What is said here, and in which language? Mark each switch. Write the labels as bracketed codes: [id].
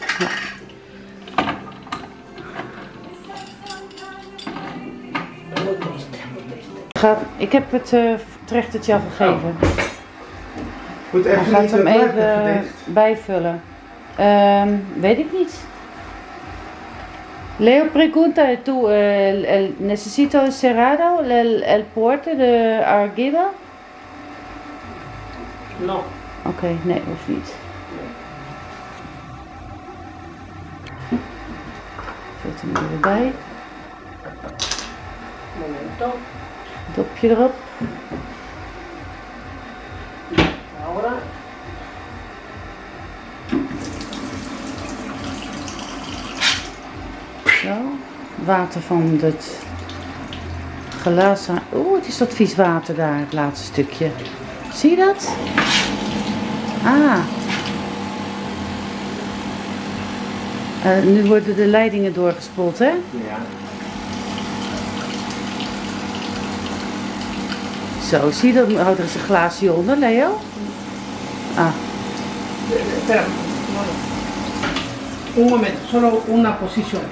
[nl] Ja. Ik Ik heb het trechtertje al gegeven. Oh. Moet even gaat hem even bijvullen. Weet ik niet. [es] Leo pregunta tú, necesito el cerrado, el puerto de arriba? No. [nl] Oké, nee, of niet. Zet hem er weer bij. [es] Momento. [nl] Dopje erop. [es] Ahora. [nl] Zo, water van het glas. Oeh, het is dat vies water daar, het laatste stukje. Zie je dat? Ah. Nu worden de leidingen doorgespoeld, hè? Ja. Zo, zie je dat? Houdt er eens een glaasje onder, Leo? Ah. [es] Un momento, solo una posición.